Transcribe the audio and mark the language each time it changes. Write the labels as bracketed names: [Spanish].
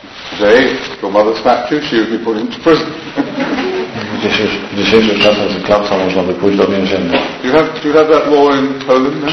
[English] Today, if your mother slapped you, she would be put into prison. [Polish] W dzisiejszych czasach z klapsa można by pójść do więzienia. [English] Do you have that law in Poland?